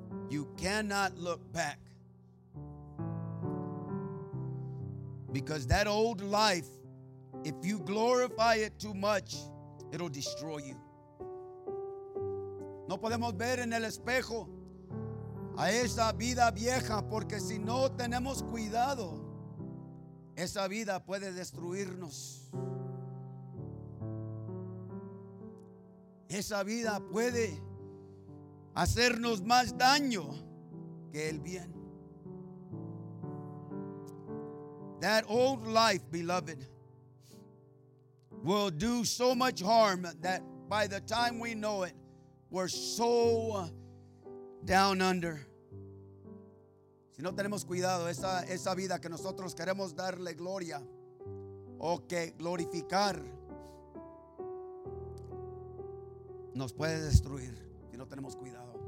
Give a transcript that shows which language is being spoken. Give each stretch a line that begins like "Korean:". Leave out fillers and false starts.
English: You cannot look back, because that old life, if you glorify it too much, it'll destroy you.
Spanish: No podemos ver en el espejo a esa vida vieja, porque si no tenemos cuidado, esa vida puede destruirnos. Esa vida puede hacernos más daño que el bien.
English: That old life, beloved, will do so much harm that by the time we know it, we're so down under.
Spanish: Si no tenemos cuidado, esa vida que nosotros queremos darle gloria o que glorificar, nos puede destruir si no tenemos cuidado.